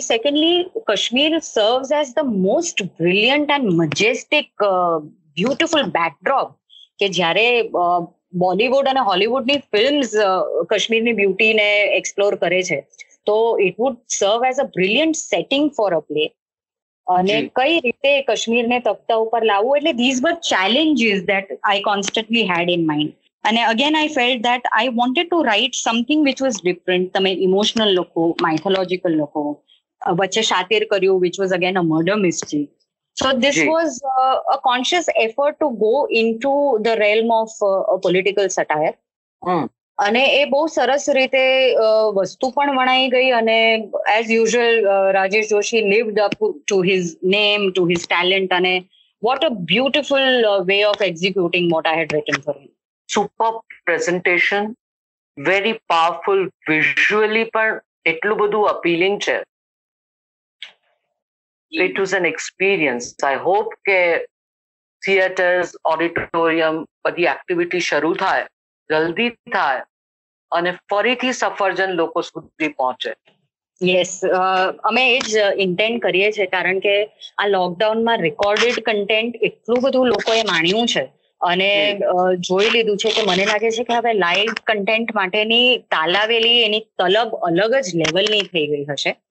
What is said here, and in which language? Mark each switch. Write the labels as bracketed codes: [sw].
[en] secondly, Kashmir serves as the most brilliant and majestic beautiful backdrop, [gu] કે જ્યારે બોલિવૂડ અને હોલિવૂડની ફિલ્મ્સ કશ્મીરની બ્યુટીને એક્સપ્લોર કરે છે, [en] તો it would serve as a brilliant setting for a play. [gu] અને કઈ રીતે કશ્મીરને તખ્તા ઉપર લાવવું, એટલે [en] These બધ challenges that I constantly had in mind. And again, I felt that I wanted to write something which was different. [gu] Tame emotional loko, mythological loko, vache shatir karyu, [en] which was again a murder mystery. So this was a conscious effort to go into the realm of a political satire. [gu] અને એ બહુ સરસ રીતે વસ્તુ પણ વણાઈ ગઈ. [en] અને as usual Rajesh Joshi lived up to his name, to his talent, અને what a beautiful way of executing what I had written for him. Superb presentation, very powerful visually, [gu] પણ એટલું બધું appealing છે. [en] It was an experience. I hope [gu] કે theaters, auditorium બધી activity શરૂ થાય, જલ્દી થાય, અને ફરીથી સફરજન લોકો સુધી પહોંચે. યસ, અમે એ જ ઇન્ટેન્ટ કરીએ છીએ, કારણ કે આ લોકડાઉનમાં રેકોર્ડેડ કન્ટેન્ટ એટલું બધું લોકોએ માણ્યું છે અને જોઈ લીધું છે, કે મને લાગે છે કે હવે લાઈવ કન્ટેન્ટ માટેની તાલાવેલી, એની તલબ અલગ જ લેવલની થઈ ગઈ હશે.